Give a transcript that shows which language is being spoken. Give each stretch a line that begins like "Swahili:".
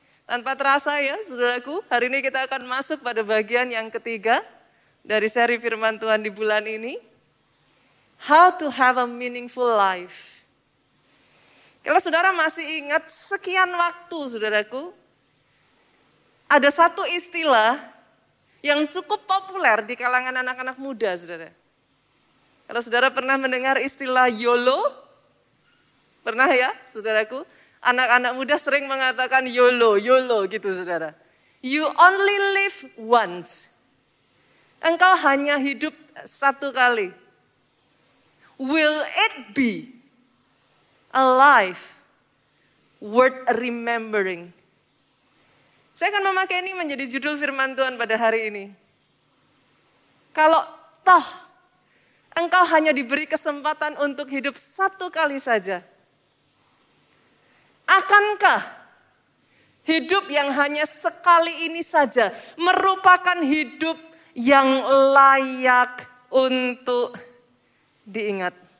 Indonesian: Tanpa terasa ya, saudaraku, hari ini kita akan masuk pada bagian yang ketiga dari seri firman Tuhan di bulan ini.
English: How to have a meaningful life.
Indonesian: Kalau saudara masih ingat sekian waktu, saudaraku, ada satu istilah yang cukup populer di kalangan anak-anak muda, saudara. Kalau saudara pernah mendengar istilah YOLO, pernah ya, saudaraku? Anak-anak muda sering mengatakan YOLO, YOLO gitu, saudara.
English: You only live once.
Indonesian: Engkau hanya hidup satu kali.
English: Will it be a life worth remembering?
Indonesian: Saya akan memakai ini menjadi judul firman Tuhan pada hari ini. Kalau toh engkau hanya diberi kesempatan untuk hidup satu kali saja, akankah hidup yang hanya sekali ini saja merupakan hidup yang layak untuk diingat?